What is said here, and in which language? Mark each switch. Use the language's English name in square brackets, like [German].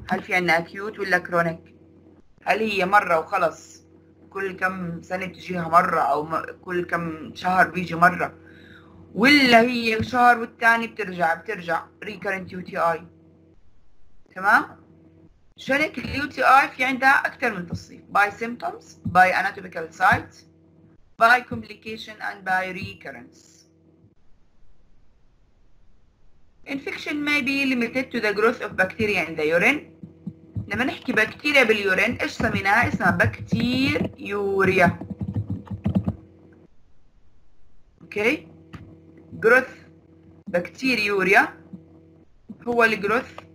[Arabic] هل في عندنا اكيوت ولا كرونيك؟ هل هي مرة وخلص، كل كم سنة بتجيها مرة، او كل كم شهر بيجي مرة، ولا هي شهر والتاني بترجع ريكرنت يو تي اي؟ تمام. شركة اليو تي اي في عندها اكثر من تصنيف، باي سيمبتومز، باي اناتوميكال سايت، باي كومبليكيشن، اند باي ريكرنس. [English] Infection may be limited to the growth of bacteria in the urine. [Arabic] لما نحكي بكتيريا باليورين ايش سميناها؟ اسمها بكتيريوريا. اوكي؟ growth بكتيريوريا هو الجروث.